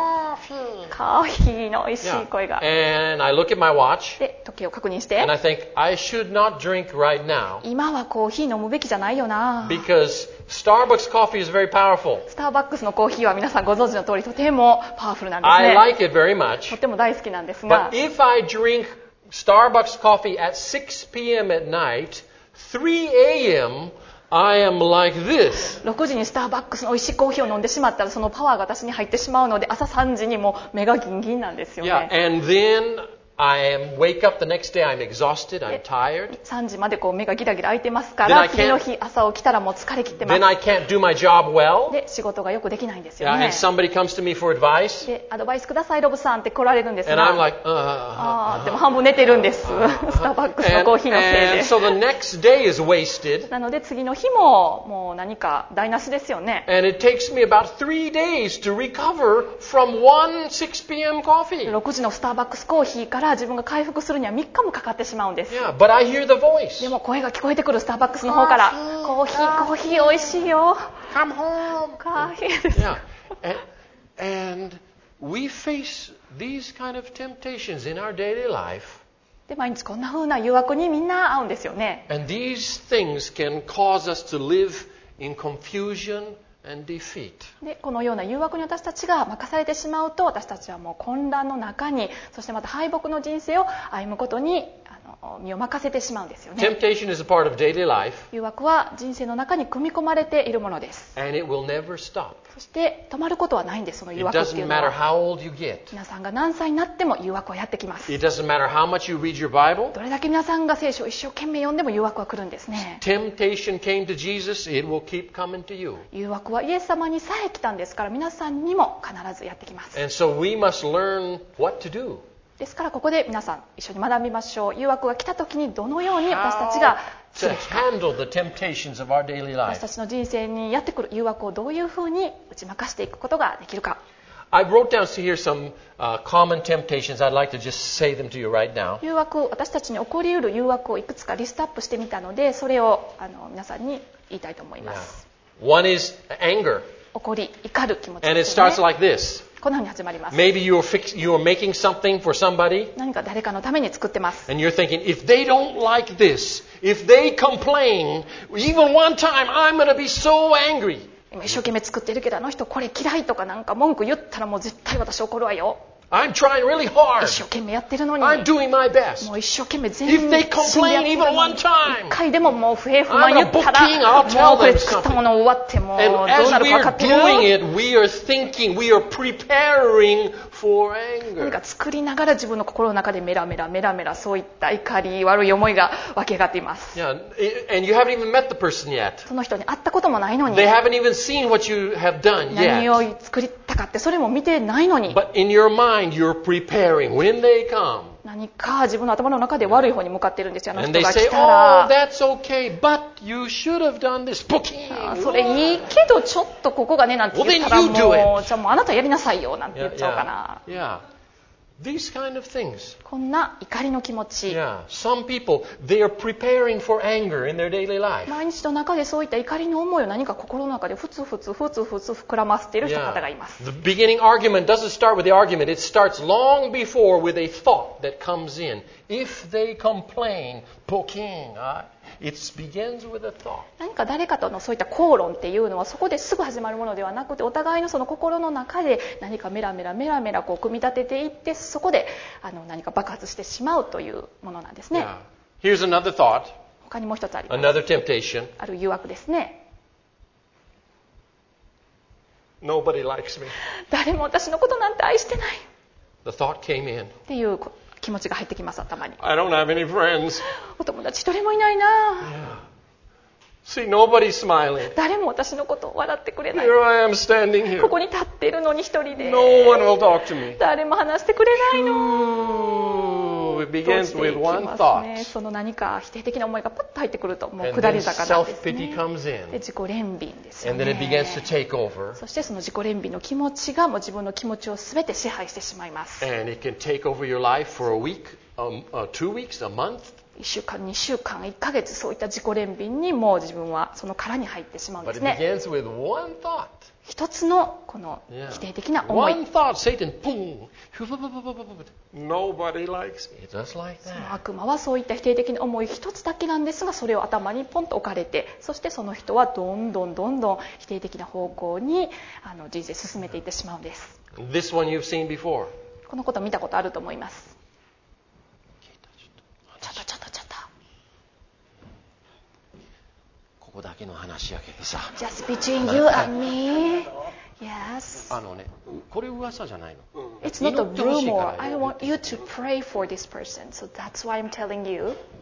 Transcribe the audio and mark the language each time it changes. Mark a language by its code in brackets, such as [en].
[ja] コーヒーの美味しい声が。 [en] Yeah. And I look at my watch. [ja] で、時計を確認して。 [en] And I think I should not drink right now. [ja] 今はコーヒー飲むべきじゃないよな。 [en] Because Starbucks coffee is very powerful. [ja] スターバックスのコーヒーは皆さんご存知の通りとてもパワフルなんですね。 [en] I like it very much. [ja] とても大好きなんですが。 [en] But if I drink Starbucks coffee at 6 p.m. at night, 3 a.m. I am like this. [ja] 6時にスターバックスの美味しいコーヒーを飲んでしまったらそのパワーが私に入ってしまうので朝3時にもう目がギンギンなんですよね。 [en] Yeah, and then I wake up the next day, I'm exhausted, I'm tired. [ja] 3時までこう目がギラギラ開いてますから次の日朝起きたらもう疲れ切ってます。 [en] Then I can't do my job well. [ja] で、仕事がよくできないんですよね。 [en] Yeah, and somebody comes to me for advice. [ja] で、アドバイスくださいロブさんって来られるんですが。 [en] And I'm like, [ja] でも半分寝てるんです。スターバックスのコーヒーのせいで。 [en] And so the next day is wasted. [ja] なので次の日ももう何か台無しですよね。 [en] And it takes me about 3 days to recover from one 6 p.m. coffee. [ja] 6時のスターバックスコーヒーから自分が回復するには3日もかかってしまうんです。 [en] Yeah, but I hear the voice. [ja] でも声が聞こえてくるスターバックスの方から、コーヒー、コーヒー、美味しいよ。 [en] Come home. [ja] コーヒーです。 [en] Yeah. And we face these kind of temptations in our daily life. [ja] で、毎日こんな風な誘惑にみんな会うんですよね。 [en] And these things can cause us to live in confusion. And defeat. [ja] で、このような誘惑に私たちが任されてしまうと、私たちはもう混乱の中に、そしてまた敗北の人生を歩むことに身を任せてしまうんですよね。 [en] Temptation is a part of daily life. [ja] 誘惑は人生の中に組み込まれているものです。 [en] And it will never stop. [ja] そして止まることはないんです、その誘惑というのは。 [en] It doesn't matter how old you get. [ja] 皆さんが何歳になっても誘惑はやってきます。 [en] It doesn't matter how much you read your Bible. [ja] どれだけ皆さんが聖書を一生懸命読んでも誘惑は来るんですね。 [en] Temptation came to Jesus. It will keep coming to you. [ja] 誘惑はイエス様にさえ来たんですから、皆さんにも必ずやってきます。 [en] And so we must learn what to do. [ja] ですからここで皆さん一緒に学びましょう。誘惑が来た時にどのように私たちが私たちの人生にやってくる誘惑をどういうふうに打ち負かしていくことができるか。 [en] I wrote down here some common temptations. I'd like to just say them to you right now. [ja] 誘惑、私たちに起こりうる誘惑をいくつかリストアップしてみたので、それを皆さんに言いたいと思います。 [en] One is anger. [ja] 怒り、怒る気持ち。 [en] And it starts like this. [ja] このように始まります。 [en] Maybe you're making something for somebody. [ja] 何か誰かのために作ってます。 [en] And you're thinking, if they don't like this, if they complain, even one time, I'm gonna be so angry. [ja] 今一生懸命作ってるけど、あの人これ嫌いとかなんか文句言ったらもう絶対私怒るわよ。 [en] I'm trying really hard. [ja] 一生懸命やってるのに。 [en] I'm doing my best. [ja] もう一生懸命全力でやってるのに。 [en] If they complain even one time, [ja] 一回でももう不平不満言ったら、もうこれ作ったものを終わってもうどうなるか分かってる。 [en] And as we're doing it, we are thinking, we are preparing for anger. [ja] 何か作りながら自分の心の中でメラメラメラメラそういった怒り悪い思いが湧き上がっています。 [en] Yeah, and you haven't even met the person yet. [ja] その人に会ったこともないのに。 [en] They haven't even seen what you have done yet. [ja] 何を作りたかってそれも見てないのに。 [en] But in your mind,You're preparing. When they come, [ja] 何か自分の頭の中で悪い方に向かってるんですよ。あの人が来たら、 [en] oh, that's okay, but you should have done this. [ja] それいいけどちょっとここがねなんて言ったらもう、 [en] well, then you do it. [ja] じゃあもうあなたやりなさいよなんて言っちゃうかな。 [en] Yeah, yeah. These kind of things. [ja] こんな怒りの気持ち。 [en] Yeah. Some people, they are preparing for anger in their daily life. [ja] 毎日の中でそういった怒りの思いを何か心の中でふつふつふつふつ膨らませている人方がいます。 [en] Yeah. The beginning argument doesn't start with the argument. It starts long before with a thought that comes in. If they complain, poking, it begins with a thought. [ja] 何か誰かとのそういった口論っていうのはそこですぐ始まるものではなくて、お互いのその心の中で何かメラメラメラメラこう組み立てていって、そこで何か爆発してしまうというものなんですね。 [en] Yeah. Here's another thought. [ja] 他にもう一つあります。 [en] Another temptation. [ja] ある誘惑ですね。 [en] Nobody likes me. [ja] 誰も私のことなんて愛してない。 [en] The thought came in. [ja] っていう気持ちが入ってきます、頭に。 [en] I don't have any friends. [ja] お友達一人もいないな。 [en] Yeah. See, nobody's smiling. [ja] 誰も私のことを笑ってくれない。 [en] Here I am standing here. [ja] ここに立っているのに一人で。 [en] No one will talk to me. [ja] 誰も話してくれないの。 [en] It begins with one thought. [ja] その何か否定的な思いがパッと入ってくると、もう下り坂なんですね。 [en] And then self-pity comes in. [ja] で、自己憐憫ですよね。 [en] And then it begins to take over. [ja] そしてその自己憐憫の気持ちがもう自分の気持ちを全て支配してしまいます。 [en] And it can take over your life for a week, two weeks, a month. [ja] 1週間、2週間、1ヶ月、そういった自己憐憫にもう自分はその殻に入ってしまうんですね。 [en] But it begins with one thought. [ja] 一つのこの否定的な思い。 [en] One thought, Satan, boom. Nobody likes me. Just like that. [ja] 悪魔はそういった否定的な思い一つだけなんですが、それを頭にポンと置かれて、そしてその人はどんどんどんどん否定的な方向に人生進めていってしまうんです。 [en] This one you've seen before. [ja] このこと見たことあると思います。ここだけの話やけどさ。 [en] Just between you and me. Yes. [ja] あのね、これ噂じゃないの。 [en] It's not a rumor. I want you to pray for this person. So that's why I'm telling you.